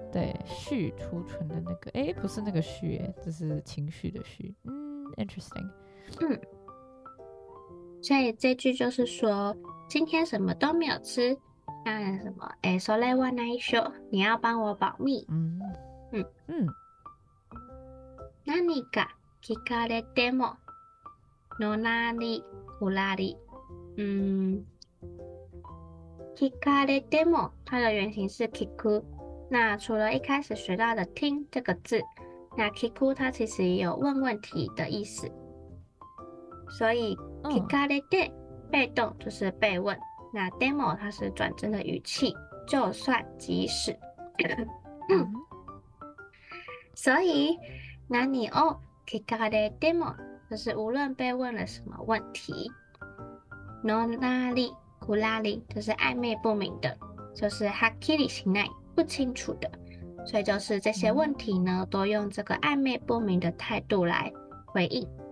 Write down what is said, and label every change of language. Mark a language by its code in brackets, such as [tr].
[zh] 对，蓄储存的那个，哎、不是那个蓄，这是情绪的蓄。 [en] interesting。 [zh] 所以这句就是说，今天什么都没有吃，那什么， [ja] それは内緒， [zh] 你要帮我保密。 [ja] 何か聞かれても、のらりくらり。 [zh] 聞かれても，它的原型是聞く。那除了一开始学到的听这个字，那聞く它其实也有问问题的意思。所以聞かれて被动就是被问，那demo它是转正的语气，就算即使。所以 [ja] 何を聞かれても [zh] 就是无论被问了什么问题。のなりくらり就是暧昧不明的，就是はっきりしない不清楚的，所以就是这些问题呢、都用这个暧昧不明的态度来回应。